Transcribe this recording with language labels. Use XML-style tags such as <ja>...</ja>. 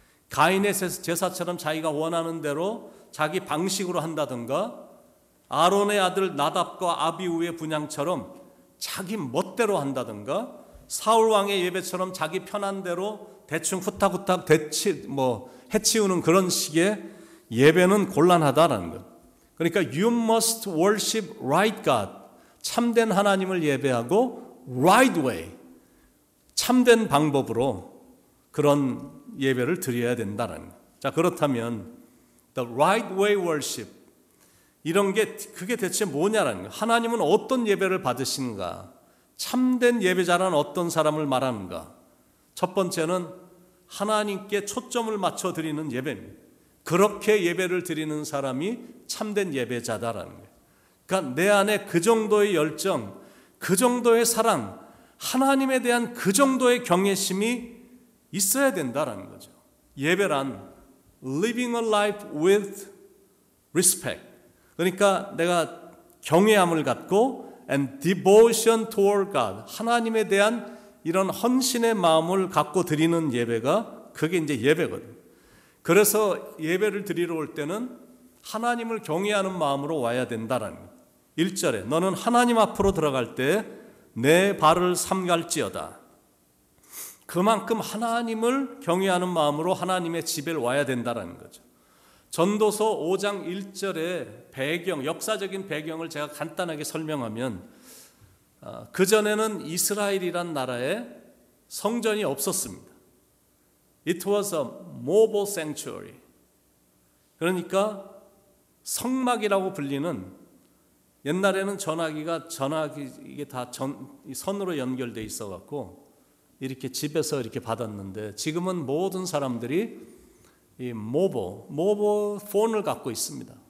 <ko>가인의 제사처럼 자기가 원하는 대로 자기 방식으로 한다든가 아론의 아들 나답과 아비우의 분향처럼 자기 멋대로 한다든가 사울왕의 예배처럼 자기 편한 대로 대충 후탁후탁 해치우는 그런 식의 예배는 곤란하다라는 것. 그러니까</ko> <en>you must worship right God.</en> <ko>참된 하나님을 예배하고</ko> <en>right way.</en> <ko>참된 방법으로 그런 예배를 드려야 된다는 것. 자, 그렇다면</ko> <en>the right way worship.</en> <ko>이런 게 그게 대체 뭐냐라는 것. 하나님은 어떤 예배를 받으신가? 참된 예배자란 어떤 사람을 말하는가? 첫 번째는 하나님께 초점을 맞춰 드리는 예배입니다. 그렇게 예배를 드리는 사람이 참된 예배자다라는 거예요. 그러니까 내 안에 그 정도의 열정, 그 정도의 사랑, 하나님에 대한 그 정도의 경외심이 있어야 된다라는 거죠. 예배란</ko> <en>living a life with respect.</en> <ko>그러니까 내가 경외함을 갖고</ko> <en>and devotion toward God,</en> <ko>하나님에 대한 이런 헌신의 마음을 갖고 드리는 예배가 그게 이제 예배거든. 그래서 예배를 드리러 올 때는 하나님을 경외하는 마음으로 와야 된다라는 거예요. 1절에 너는 하나님 앞으로 들어갈 때 내 발을 삼갈지어다. 그만큼 하나님을 경외하는 마음으로 하나님의 집에 와야 된다라는 거죠. 전도서 5장 1절의 배경, 역사적인 배경을 제가 간단하게 설명하면 그전에는 이스라엘이란 나라에 성전이 없었습니다.</ko> <en>It was a mobile sanctuary.</en> <ko>그러니까 성막이라고 불리는 옛날에는 전화기 이게 다 선으로 연결되어 있어갖고 이렇게 집에서 이렇게 받았는데 지금은 모든 사람들이 이 모바일 폰을 갖고 있습니다.</ko>